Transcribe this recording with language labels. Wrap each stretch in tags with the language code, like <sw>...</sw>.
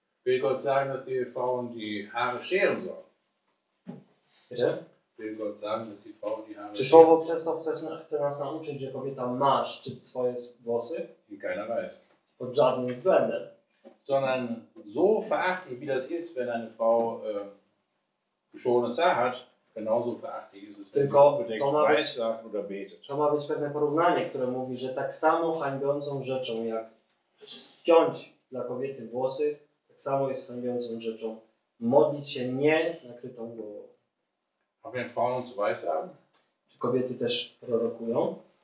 <de>Will Gott sagen, dass die Frauen die Haare scheren sollen?</de> <pl>Wiecie?</pl> <de>Will Gott sagen, dass die Frauen die Haare</de> <pl>Czy słowo przez to chce nas nauczyć, że kobieta ma szczyt swoje włosy?</pl> <de>In keiner Weise.</de> <pl>Pod żadnym względem.</pl> <de>Sondern so verachtlich, wie das ist, wenn eine Frau geschorenes Haar hat, genauso verachtlich ist es, wenn sie weissagt oder betet.</de> <pl>To ma być pewne porównanie, które mówi, że tak samo hańbiącą rzeczą, jak ściąć dla kobiety włosy, tak samo jest hańbiącą rzeczą modlić się nie nakrytą głową. A więc</pl> <de>Frauen zu weissagen?</de> <pl>Czy kobiety też prorokują?</pl>